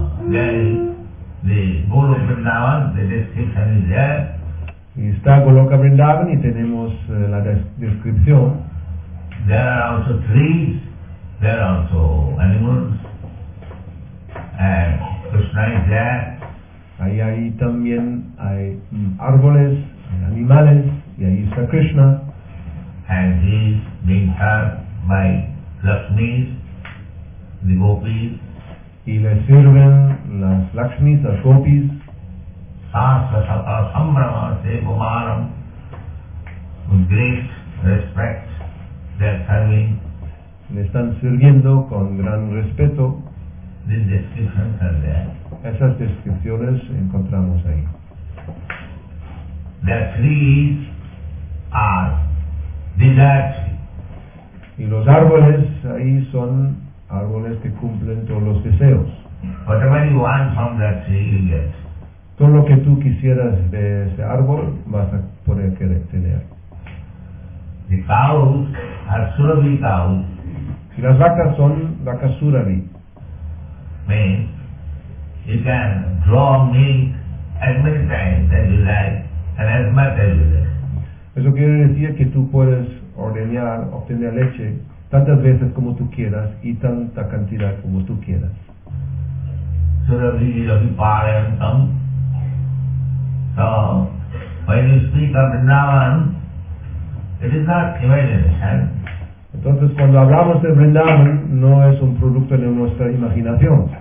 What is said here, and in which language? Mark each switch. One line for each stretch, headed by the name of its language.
English: Then the Golo Vrindavan, the description is there.
Spanish: Está Goloka Vrindavan y tenemos la descripción.
English: There are also trees. There are also animals, and Krishna is there.
Spanish: Ahí también hay árboles, hay animales, y ahí está Krishna.
English: and he is being served by Lakshmis, the gopis.
Spanish: Y le sirven las Lakshmis, las gopis.
Sanskrit: Sasasata sambrama se gumaram.
English: With great respect, they are serving.
Spanish: Le están sirviendo con gran respeto.
English: These descriptions are there.
Spanish: Esas descripciones encontramos ahí.
English: The trees are desert.
Spanish: Y los árboles ahí son árboles que cumplen todos los deseos.
English: Whatever you want from that tree, you get.
Spanish: Todo lo que tú quisieras de ese árbol vas a poder querer tener.
English: The cows are Suravi cows.
Spanish: Y las vacas son vacas Suravi.
English: Means you can draw milk as many times as you like. And as much as you like.
Spanish: Eso quiere decir que tú puedes ordeñar, obtener leche tantas veces como tú quieras y tanta cantidad como tú quieras.
English: Suravi is of the parentum. So, when you speak of Vrindavan, it is not imagination.
Spanish: Entonces, cuando hablamos de Vrindavan, no es un producto de nuestra imaginación.